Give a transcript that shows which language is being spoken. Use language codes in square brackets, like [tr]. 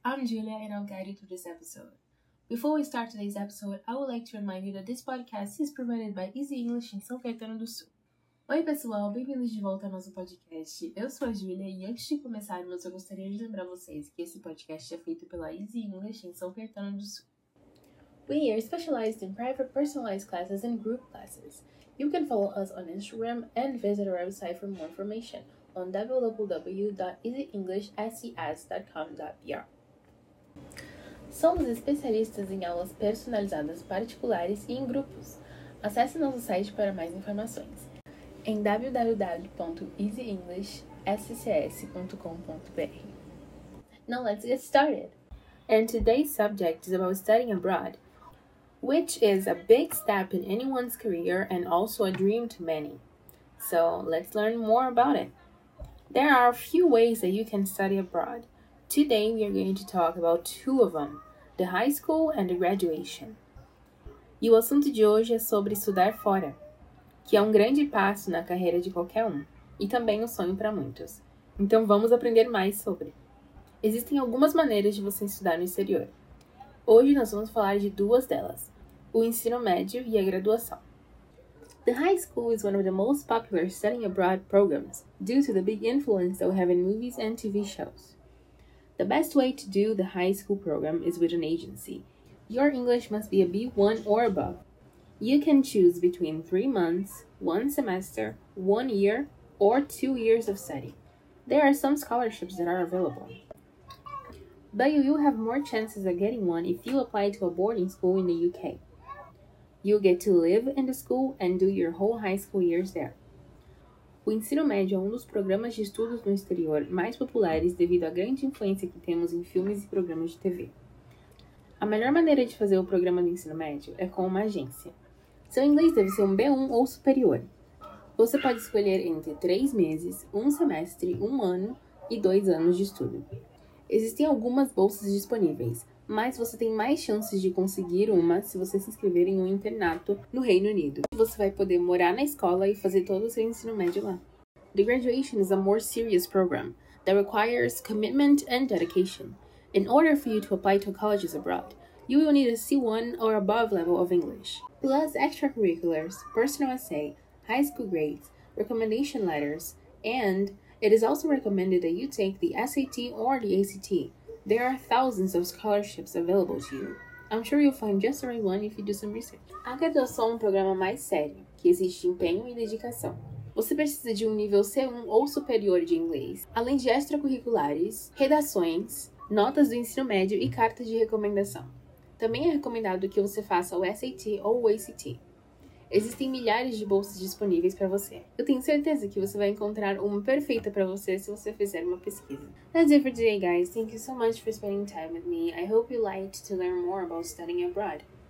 [en] I'm Julia and I'll guide you through this episode. Before we start today's episode, I would like to remind you that this podcast is provided by Easy English em São Caetano do Sul. [pt] Oi pessoal, bem-vindos de volta ao nosso podcast. Eu sou a Julia e antes de começarmos, eu gostaria de lembrar vocês que esse podcast é feito pela Easy English em São Caetano do Sul. [en] We are specialized in private personalized classes and group classes. You can follow us on Instagram and visit our website for more information on www.easyenglishscs.com.br. [pt] Somos especialistas em aulas personalizadas particulares e em grupos. Acesse nosso site para mais informações em www.easyenglishscs.com.br. [en] Now let's get started! And today's subject is about studying abroad, which is a big step in anyone's career and also a dream to many. So let's learn more about it. There are a few ways that you can study abroad. Today we are going to talk about two of them, the high school and the graduation. [pt] E o assunto de hoje é sobre estudar fora, que é um grande passo na carreira de qualquer um, e também um sonho para muitos. Então vamos aprender mais sobre. Existem algumas maneiras de você estudar no exterior. Hoje nós vamos falar de duas delas, o ensino médio e a graduação. [en] The high school is one of the most popular studying abroad programs due to the big influence that we have in movies and TV shows. The best way to do the high school program is with an agency. Your English must be a B1 or above. You can choose between 3 months, 1 semester, 1 year, or 2 years of study. There are some scholarships that are available, but you will have more chances of getting one if you apply to a boarding school in the UK. You get to live in the school and do your whole high school years there. [pt] O ensino médio é um dos programas de estudos no exterior mais populares devido à grande influência que temos em filmes e programas de TV. A melhor maneira de fazer o programa do ensino médio é com uma agência. Seu inglês deve ser um B1 ou superior. Você pode escolher entre 3 meses, 1 semestre, 1 ano e 2 anos de estudo. Existem algumas bolsas disponíveis, mas você tem mais chances de conseguir uma se você se inscrever em um internato no Reino Unido. Você vai poder morar na escola e fazer todo o seu ensino médio lá. [en] The graduation is a more serious program that requires commitment and dedication. In order for you to apply to colleges abroad, you will need a C1 or above level of English, plus extracurriculars, personal essay, high school grades, recommendation letters, and it is also recommended that you take the SAT or the ACT. There are thousands of scholarships available to you. I'm sure you'll find just the right one if you do some research. [pt] A graduação é um programa mais sério, que exige empenho e dedicação. Você precisa de um nível C1 ou superior de inglês, além de extracurriculares, redações, notas do ensino médio e cartas de recomendação. Também é recomendado que você faça o SAT ou o ACT. Existem milhares de bolsas disponíveis para você. Eu tenho certeza que você vai encontrar uma perfeita para você se você fizer uma pesquisa. [en] That's it for today, guys. Thank you so much for spending time with me. I hope you liked to learn more about studying abroad.